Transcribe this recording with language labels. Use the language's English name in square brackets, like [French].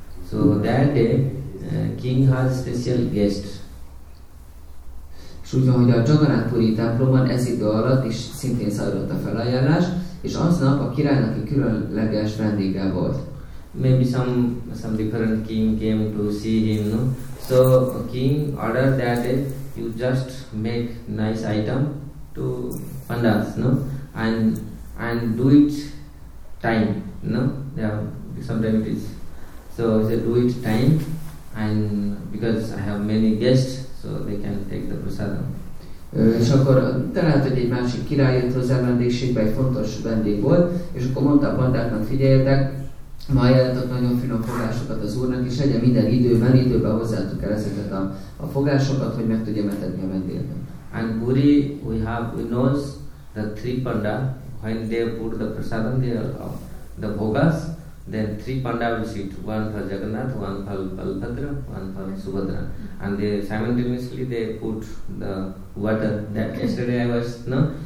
[English] So that day, king has special guest. [Hungarian] És úgy van, hogy a Jagannath Puri templomban ez idő alatt is szintén szállott a felajánlás, és aznap a királynak egy különleges vendége volt. [English] Maybe some different king came to see him, no? So a king ordered that you just make nice item to pandas, no? And do it time, no? Yeah, sometimes it is. So he said, do it time, and because I have many guests, so they can take the prasadam. [Hungarian] És akkor talált, hogy egy másik király jött hozzá vendégségbe, egy fontos vendég volt, és akkor mondta a pandáknak, figyeljetek, ma ajánlottak nagyon finom fogásokat az úrnak, és egyen minden időben, időben hozzátok el ezeket a fogásokat, hogy meg tudja metedni a vendégnek. [English] And Puri, we know the three panda, when they put the prasadam, they are the bhogas, then three panda will sit, one for Jagannath, one for Balbhadra, one for Subhadra. And they simultaneously they put the water that yesterday I was, no?